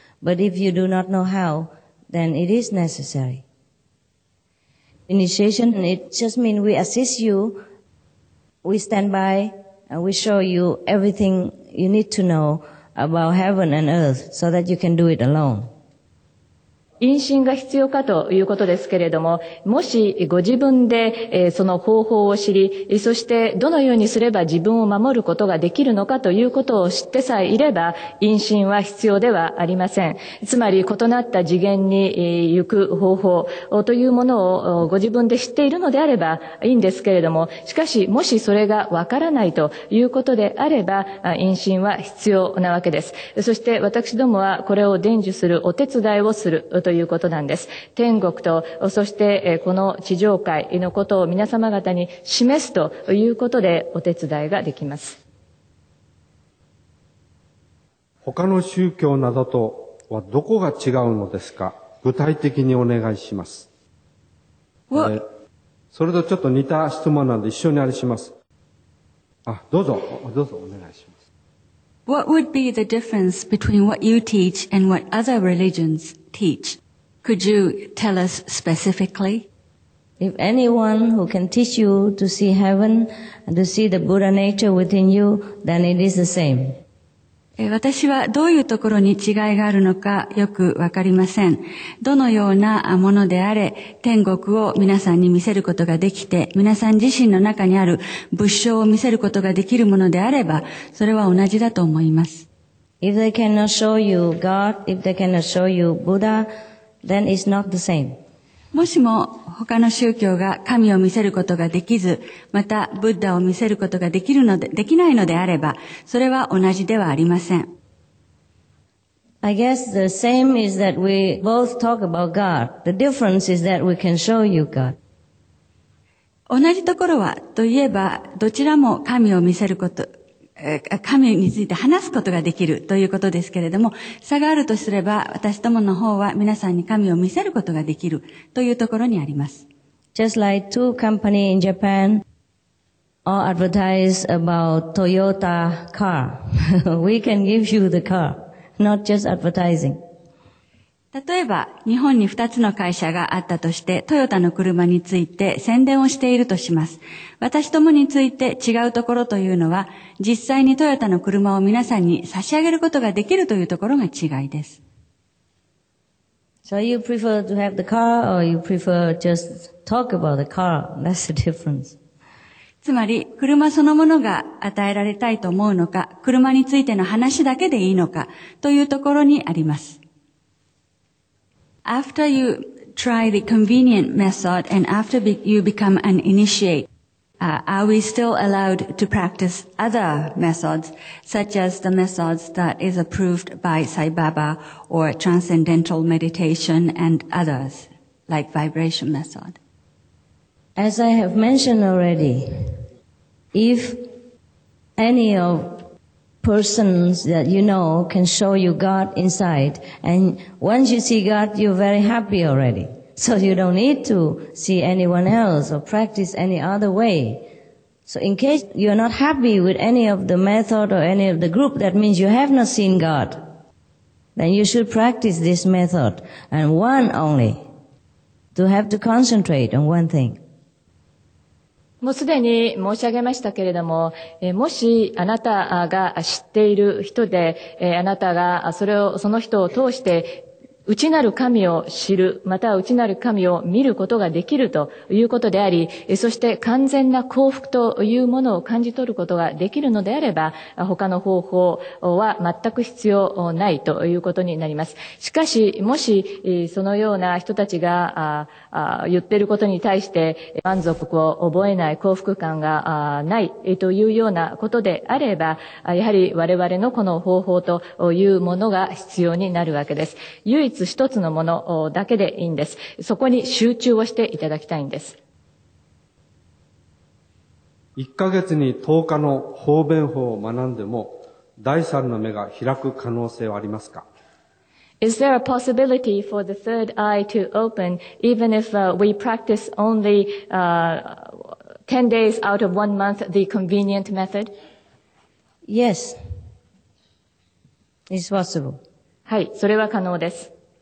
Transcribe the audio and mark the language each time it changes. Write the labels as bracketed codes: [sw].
[en] But if you do not know how,then it is necessary. Initiation, it just means we assist you, we stand by, and we show you everything you need to know about heaven and earth so that you can do it alone. [ja] 妊娠が必要かということですけれども、もしご自分でその方法を知り、そしてどのようにすれば自分を守ることができるのかということを知ってさえいれば、妊娠は必要ではありません。つまり異なった次元に行く方法というものをご自分で知っているのであればいいんですけれども、しかしもしそれがわからないということであれば、妊娠は必要なわけです。そして私どもはこれを伝授するお手伝いをする。ということなんです。天国と、そしてこの地上界のことを皆様方に示すということでお手伝いができます。他の宗教などとはどこが違うのですか？具体的にお願いします。それとちょっと似た質問なんで一緒にあれします。どうぞお願いします。 [en] What would be the difference between what you teach and what other religions teach? Could you tell us specifically? If anyone who can teach you to see heaven and to see the Buddha nature within you, then it is the same. [ja] 私はどういうところに違いがあるのかよくわかりません。どのようなものであれ天国を皆さんに見せることができて、皆さん自身の中にある仏性を見せることができるものであれば、それは同じだと思います。 [en] If they cannot show you God, if they cannot show you Buddha, then it's not the same. [ja] もしも他の宗教が神を見せることができず、またブッダを見せることができるので、できないのであれば、それは同じではありません。 [en] I guess the same is that we both talk about God. The difference is that we can show you God. [ja] 同じところは、といえば、どちらも神を見せること、神について話すことができるということですけれども、差があるとすれば、私どもの方は皆さんに神を見せることができるというところにあります。 [en] Just like two companies in Japan all advertise about Toyota car. We can give you the car, not just advertising. [ja] 例えば、日本に二つの会社があったとして、トヨタの車について宣伝をしているとします。私どもについて違うところというのは、実際にトヨタの車を皆さんに差し上げることができるというところが違いです。 [en] So you prefer to have the car or you prefer just talk about the car? That's the difference. [ja] つまり、車そのものが与えられたいと思うのか、車についての話だけでいいのか、というところにあります。 [en] After you try the convenient method and after you become an initiate, are we still allowed to practice other methods, such as the methods that is approved by Sai Baba or transcendental meditation and others, like vibration method? As I have mentioned already, if any of persons that you know can show you God inside, and once you see God, you're very happy already. So you don't need to see anyone else or practice any other way. So in case you're not happy with any of the method or any of the group, that means you have not seen God. Then you should practice this method, and one only, to have to concentrate on one thing. [ja] もうすでに申し上げましたけれども、もしあなたが知っている人で、あなたがその人を通して、内なる神を知る、または内なる神を見ることができるということであり、そして完全な幸福というものを感じ取ることができるのであれば、他の方法は全く必要ないということになります。しかし、もしそのような人たちが言っていることに対して満足を覚えない幸福感がないというようなことであれば、やはり我々のこの方法というものが必要になるわけです。唯一一つのものだけでいいんです。そこに集中をしていただきたいんです。 1ヶ月に10日の方便法を学んでも、第三の目が開く可能性はありますか？ [en] Is there a possibility for the third eye to open even if we practice only 10 days out of one month the convenient method? Yes. It's possible. [ja] はい、それは可能です。